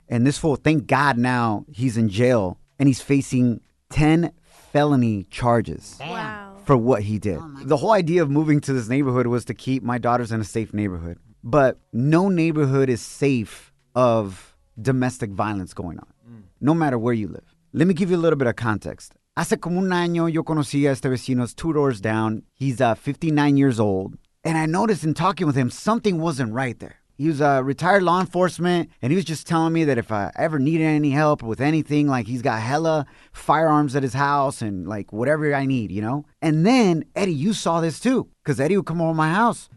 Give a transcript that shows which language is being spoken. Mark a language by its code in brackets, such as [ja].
[en] And this fool, thank God now, he's in jail and he's facing 10 felony charges. Wow. For what he did. Oh, the whole idea of moving to this neighborhood was to keep my daughters in a safe neighborhood. But no neighborhood is safe of domestic violence going on, no matter where you live. Let me give you a little bit of context. [es] Hace como un año, yo conocí a este vecino, [en] two doors down. He's 59 years old. And I noticed in talking with him, something wasn't right there. He was a retired law enforcement, and he was just telling me that if I ever needed any help with anything, like he's got hella firearms at his house and like whatever I need, you know? And then, Eddie, you saw this too, because Eddie would come over to my house.